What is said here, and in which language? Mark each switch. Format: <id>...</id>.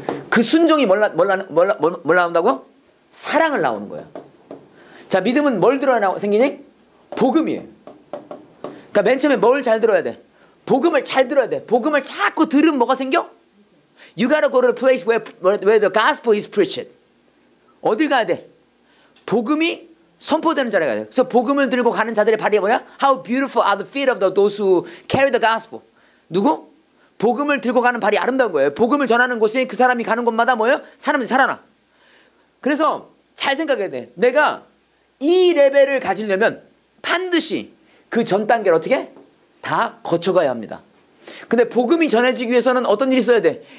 <ko>그 순종이 뭘 나온다고? 사랑을 나오는 거야. 자, 믿음은 뭘 들어야 생기니? 복음이에요. 그러니까 맨 처음에 뭘 잘 들어야 돼? 복음을 잘 들어야 돼. 복음을 자꾸 들으면 뭐가 생겨?</ko> <en>You gotta go to the place where the gospel is preached.</en> <ko>어딜 가야 돼? 복음이 선포되는 자리에 가야 돼. 그래서 복음을 들고 가는 자들의 발이 뭐야?</ko> <en>How beautiful are the feet of those who carry the gospel.</en> <ko>누구? 복음을 들고 가는 발이 아름다운 거예요. 복음을 전하는 곳에 그 사람이 가는 곳마다 뭐예요? 사람들이 살아나. 그래서 잘 생각해야 돼. 내가 이 레벨을 가지려면 반드시 그 전 단계를 어떻게? 다 거쳐가야 합니다. 근데 복음이 전해지기 위해서는 어떤 일이 있어야 돼?</ko>